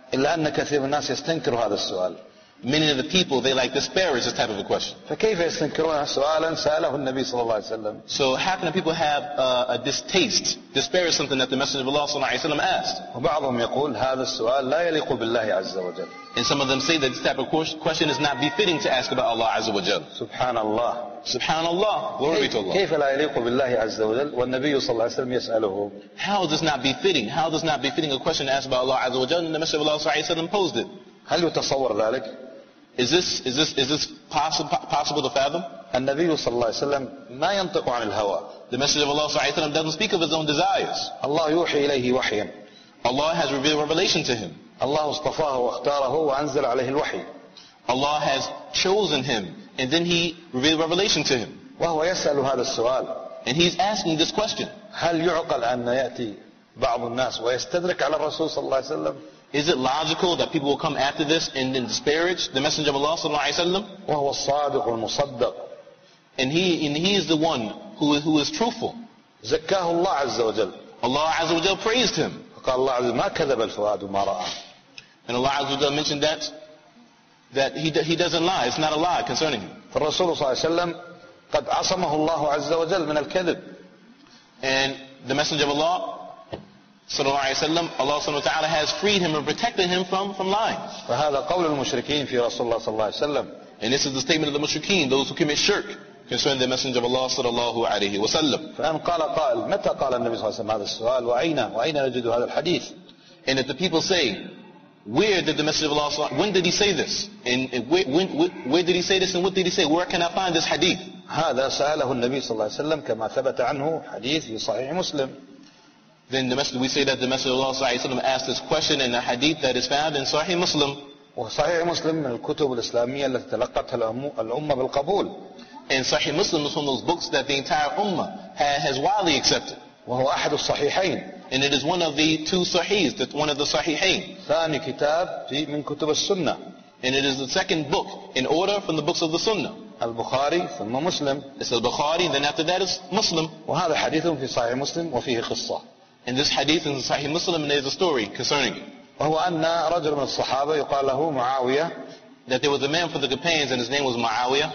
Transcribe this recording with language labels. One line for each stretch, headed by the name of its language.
Arabic: إلا أن كثير من الناس يستنكر هذا السؤال.
English: Many of the people, they like disparage this type of a question.
Arabic: فكيف يستنكرون سؤالا سأله النبي صلى الله عليه وسلم?
English: So how can people have a distaste, disparage something that the Messenger of Allah صلى الله عليه وسلم asked?
Arabic: وبعضهم يقول هذا السؤال لا يليق بالله عز وجل.
English: And some of them say that this type of question is not befitting to ask about Allah عز وجل.
Arabic: سبحان الله. سبحان الله.
English: Glory to Allah.
Arabic: كيف لا يليق بالله عز وجل والنبي صلى الله عليه وسلم يسأله?
English: How is this not befitting? How is this not befitting a question asked about Allah عز وجل and the Messenger of Allah صلى الله عليه وسلم posed it?
Arabic: هل يتصور ذلك?
English: Is this possible to fathom?
Arabic: النبي صلى الله عليه وسلم ما ينطق عن الهوى.
English: The Messenger of Allah صلى الله عليه وسلم doesn't speak of his own desires.
Arabic: الله يوحي إليه وحيا.
English: Allah has revealed revelation to him.
Arabic: الله اصطفاه واختاره وأنزل عليه الوحي.
English: Allah has chosen him and then he revealed revelation to him.
Arabic: وهو يسأل هذا السؤال.
English: And he's asking this question.
Arabic: هل يعقل أن يأتي بعض الناس ويستدرك على الرسول صلى الله عليه وسلم?
English: Is it logical that people will come after this and then disparage the Messenger of Allah صلى الله عليه وسلم?
Arabic: وهو الصادق والمصدق.
English: And he is the one who is truthful.
Arabic: زكاه الله عز وجل.
English: Allah عز وجل praised him.
Arabic: قال الله عز وجل ما كذب الفؤاد ما رأى.
English: And Allah عز وجل mentioned that he doesn't lie. It's not a lie concerning him.
Arabic: فالرسول صلى الله عليه وسلم قد عصمه الله عز وجل من الكذب.
English: And the Messenger of Allah صلى الله عليه وسلم, Allah سبحانه وتعالى has freed him and protected him from lying.
Arabic: فهذا قول المشركين في رسول الله صلى الله عليه وسلم.
English: And this is the statement of the mushrikeen, those who commit shirk concerning the Messenger of Allah صلى الله عليه وسلم.
Arabic: فأن قال قائل متى قال النبي صلى الله عليه وسلم هذا السؤال وأين نجد هذا الحديث?
English: And if the people say, where did the Messenger of Allah صلى الله عليه وسلم, when did he say this? And where did he say this and what did he say? Where can I find this hadith?
Arabic: هذا سأله النبي صلى الله عليه وسلم كما ثبت عنه حديث في صحيح مسلم.
English: Then the Messenger, we say that the Messenger of Allah صلى الله عليه وسلم asked this question in a hadith that is found in Sahih Muslim.
Arabic: وصحيح مسلم من الكتب الإسلامية التي تلقتها الأمة بالقبول.
English: And Sahih Muslim is one of those books that the entire Ummah has widely accepted.
Arabic: وهو أحد الصحيحين.
English: And it is one of the two Sahihs, one of the Sahihain.
Arabic: ثاني كتاب في من كتب السنة.
English: And it is the second book in order from the books of the Sunnah.
Arabic: البخاري ثم مسلم.
English: It's the Bukhari, then after that is Muslim.
Arabic: وهذا حديث في صحيح مسلم وفيه قصة.
English: And this hadith in Sahih Muslim, there is a story concerning it.
Arabic: وهو أن رجل من الصحابة يقال له معاوية.
English: That there was a man for the companions and his name was معاوية.